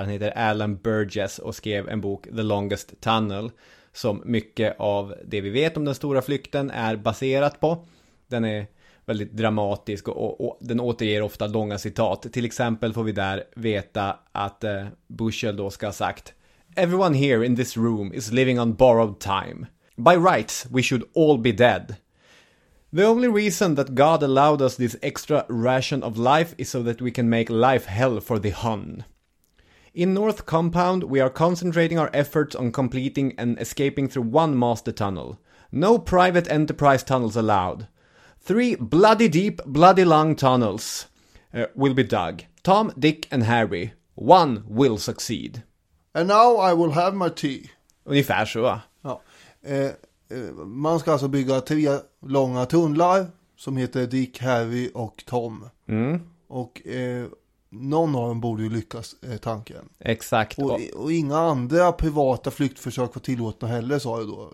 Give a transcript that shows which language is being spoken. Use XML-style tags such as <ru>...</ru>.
<sv>Han heter Alan Burgess och skrev en bok, The Longest Tunnel, som mycket av det vi vet om den stora flykten är baserat på. Den är väldigt dramatisk och den återger ofta långa citat. Till exempel får vi där veta att Bushell då ska ha sagt:</sv> <en>"Everyone here in this room is living on borrowed time. By rights, we should all be dead. The only reason that God allowed us this extra ration of life is so that we can make life hell for the Hun. In North Compound, we are concentrating our efforts on completing and escaping through one master tunnel. No private enterprise tunnels allowed. Three bloody deep, bloody long tunnels will be dug. Tom, Dick and Harry. One will succeed. And now I will have my tea."</en> <sv>Ungefär så. Ja. Man ska alltså bygga tre långa tunnlar som heter Dick, Harry och Tom. Mm. Och någon av dem borde ju lyckas, tanken. Exakt. Och inga andra privata flyktförsök var tillåtna heller, sa du då.</sv>